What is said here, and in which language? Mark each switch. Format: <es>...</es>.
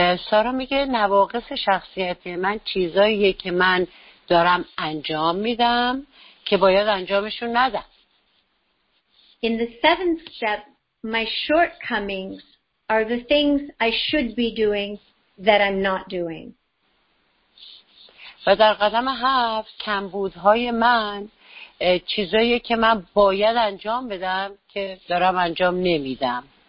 <fa>سارا میگه نواقص شخصیتی من چیزاییه که من دارم انجام میدم که باید انجامشون ندم.</fa> <en>In the seventh step, my shortcomings are the things I should be doing that I'm not doing.</en> <fa>و در قدم هفت کمبودهای من چیزایی که من باید انجام بدم که دارم انجام نمیدم.</fa>